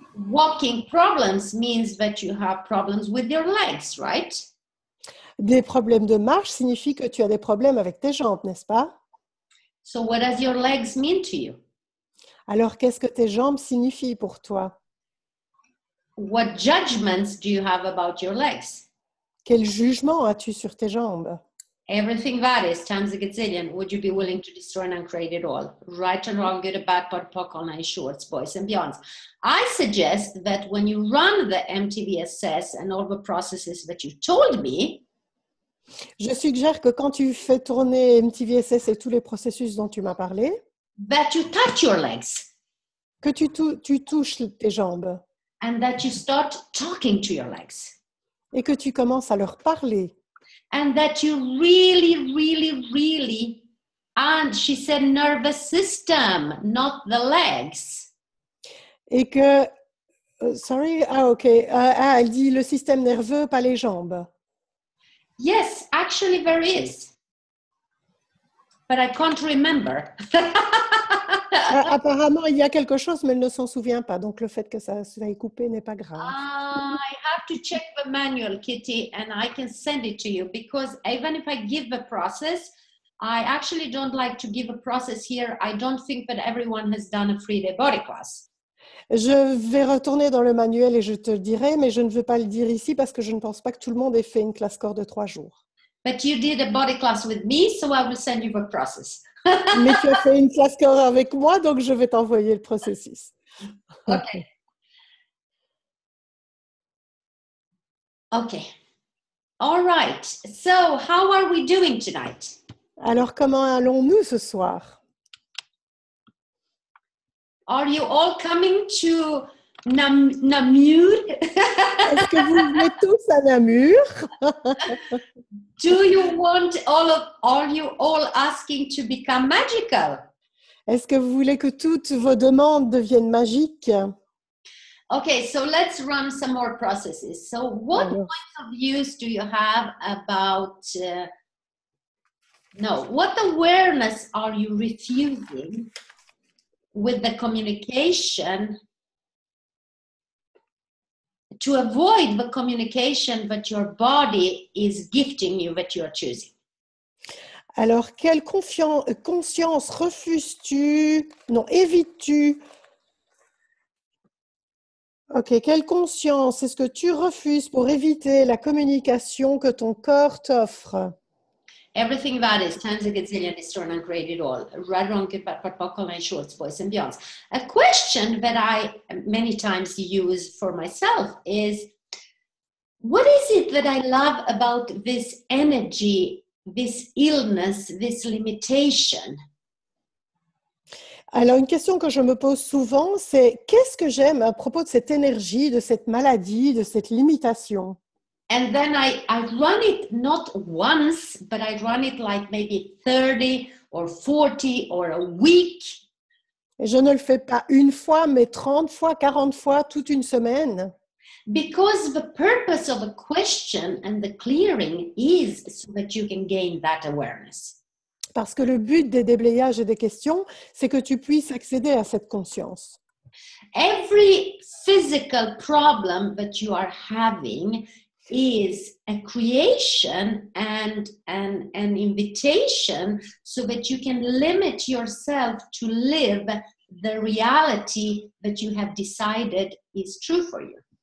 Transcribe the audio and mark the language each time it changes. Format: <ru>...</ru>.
<en>Walking problems means that you have problems with your legs, right?</en> <fr>Des problèmes de marche signifie que tu as des problèmes avec tes jambes, n'est-ce pas?</fr> <en>So what does your legs mean to you?</en> <fr>Alors qu'est-ce que tes jambes signifient pour toi?</fr> <en>What judgments do you have about your legs?</en> <fr>Quel jugement as-tu sur tes jambes?</fr> <en>Everything that is, times a gazillion, would you be willing to destroy and uncreate it all? Right and wrong, good and bad, pot, pock, all night, shorts, boys and beyonds. I suggest that when you run the MTVSS and all the processes that you told me.</en> <fr>Je suggère que quand tu fais tourner MTVSS et tous les processus dont tu m'as parlé.</fr> <en>That you touch your legs.</en> <fr>Que tu touches tes jambes.</fr> <en>And that you start talking to your legs.</en> <fr>Et que tu commences à leur parler.</fr> <en>And that you really, really, really, and she said nervous system, not the legs.</en> <fr>Et que,</fr> <en>sorry,</en> <fr>ah ok, elle dit le système nerveux, pas les jambes.</fr> <en>Yes, actually there is. But I can't remember.</en> <fr>Apparemment, il y a quelque chose, mais elle ne s'en souvient pas. Donc, le fait que ça soit coupé n'est pas grave.</fr> <en>I have to check the manual, Kitty, and I can send it to you. Because even if I give the process, I actually don't like to give a process here. I don't think that everyone has done a 3-day body class.</en> <fr>Je vais retourner dans le manuel et je te le dirai, mais je ne veux pas le dire ici parce que je ne pense pas que tout le monde ait fait une classe corps de 3 jours.</fr> <en>But you did a body class with me, so I will send you the process.</en> <fr>Mais tu as fait une classe corps avec moi, donc je vais t'envoyer le processus.</fr> <en>Okay. All right. So, how are we doing tonight?</en> <fr>Alors, comment allons-nous ce soir?</fr> <en>Are you all coming to Namur?</en> <fr>Est-ce que vous venez tous à Namur?</fr> <en>Do you want all of, are you all asking to become magical?</en> <fr>Est-ce que vous voulez que toutes vos demandes deviennent magiques?</fr> <en>Okay, so let's run some more processes. So what points of views do you have about... what awareness are you refusing with the communication to avoid the communication that your body is gifting you that you are choosing?</en> <fr>Alors, quelle conscience refuses-tu, non, évites-tu? Ok, quelle conscience est-ce que tu refuses pour éviter la communication que ton corps t'offre?</fr> <en>Everything that is, times a gazillion, is torn and created all. Right, wrong, good, bad, part, buckle, and shorts, voice, and beyond. A question that I many times use for myself is, what is it that I love about this energy, this illness, this limitation?</en> <fr>Alors, une question que je me pose souvent, c'est qu'est-ce que j'aime à propos de cette énergie, de cette maladie, de cette limitation?</fr> <en>And then I run it not once, but I run it like maybe 30 or 40 or a week.</en> <fr>Et je ne le fais pas une fois, mais 30 fois, 40 fois, toute une semaine.</fr> <en>Because the purpose of a question and the clearing is so that you can gain that awareness.</en> <fr>Parce que le but des déblayages et des questions, c'est que tu puisses accéder à cette conscience.</fr> <en>Every physical problem that you are having is a creation and an invitation so that you can limit yourself to live the reality that you have decided is true for you.</en>